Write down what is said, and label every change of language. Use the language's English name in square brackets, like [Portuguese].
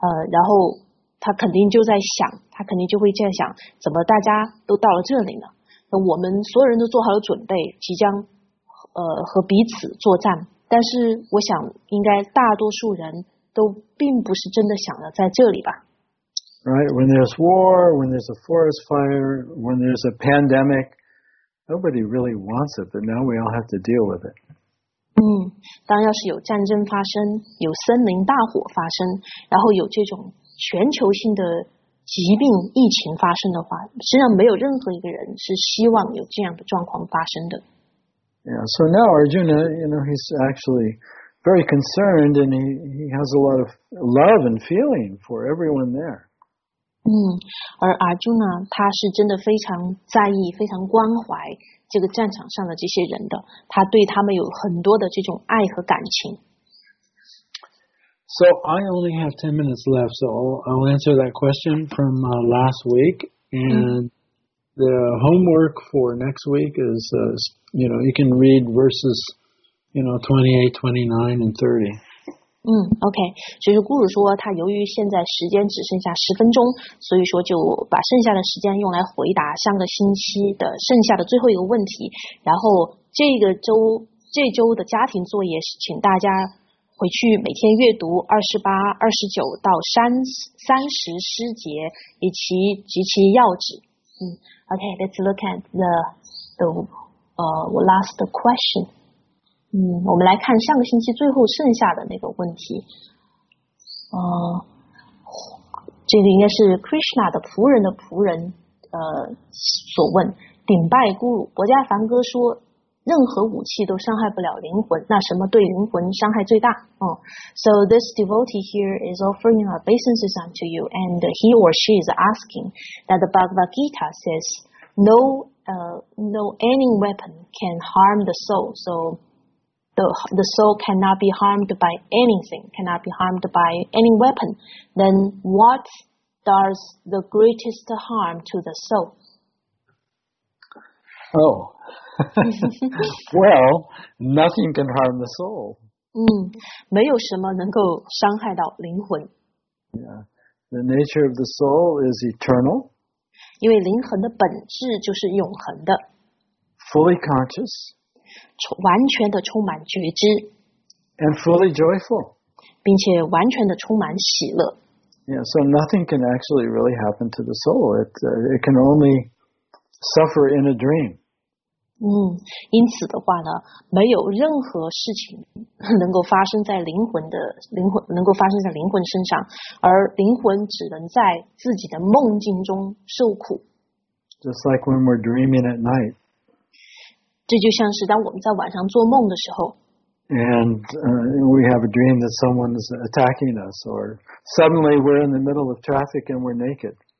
[Chinese] 然后他肯定就会这样想，怎么大家都到了这里呢？我们所有人都做好了准备，即将和彼此作战，但是我想应该大多数人都并不是真的想要在这里吧。 [English] Right, when there's war, when there's a forest fire, when there's a pandemic, nobody really wants it, but now we all have to deal with it. [Chinese] 当要是有战争发生，有森林大火发生，然后有这种全球性的疾病疫情发生的话，实际上没有任何一个人是希望有这样的状况发生的。 [English] Yeah, so now Arjuna, you know, he's actually very concerned, and he has a lot of love and feeling for everyone there. [Chinese] 而 Arjuna 他是真的非常在意、非常关怀这个战场上的这些人的，他对他们有很多的这种爱和感情。 [English] So I only have 10 minutes left, so I'll answer that question from last week. And the homework for next week is, you know, you can read verses, you know, 28, 29, and 30. Okay. [Chinese] 所以 Guru 说他由于现在时间只剩下十分钟，所以说就把剩下的时间用来回答上个星期的剩下的最后一个问题。然后这周的家庭作业，请大家回去每天阅读28、29到30诗节，以及及其要旨。 [English] Okay, let's look at the last question. [Chinese] 我们来看上个星期最后剩下的那个问题。这个应该是 Krishna 的仆人的仆人所问，顶拜孤乳，伯加梵歌说任何武器都伤害不了灵魂，那什么对灵魂伤害最大？ [English] So this devotee here is offering obeisances unto you, and he or she is asking that the Bhagavad Gita says no any weapon can harm the soul, so the soul cannot be harmed by anything, cannot be harmed by any weapon. Then what does the greatest harm to the soul? Oh. Well, nothing can harm the soul. [Chinese] 没有什么能够伤害到灵魂。 [English] Yeah, the nature of the soul is eternal. [Chinese] 因为灵魂的本质就是永恒的。 [English] Fully conscious. [Chinese] 完全的充满觉知。 [English] And fully joyful. [Chinese] 并且完全的充满喜乐。 [English] Yeah, so nothing can actually really happen to the soul. It can only suffer in a dream. [Chinese] 因此的话呢，没有任何事情能够发生在灵魂身上，而灵魂只能在自己的梦境中受苦。 [English] Just like when we're dreaming at night. [Chinese] 这就像是当我们在晚上做梦的时候。 [English] And we have a dream that someone is attacking us, or suddenly we're in the middle of traffic and we're naked.